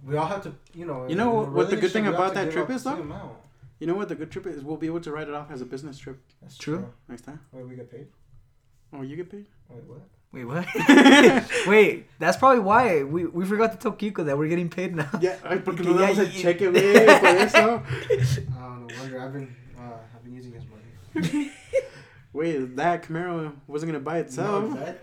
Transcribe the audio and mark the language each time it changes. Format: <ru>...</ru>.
<en>We all have to, you know. You know what the good thing about that trip is, though? You know what the good trip is? We'll be able to write it off as a business trip. That's true. Next time. Wait, we get paid? Oh, you get paid? Wait, what? Wait, that's probably why. We forgot to tell Kiko that we're getting paid now.</en> <es>Yeah, porque no vamos a cheque, güey, por eso.</es> <en>No wonder. I've been using his money. Wait, that Camaro wasn't going to buy itself.</en>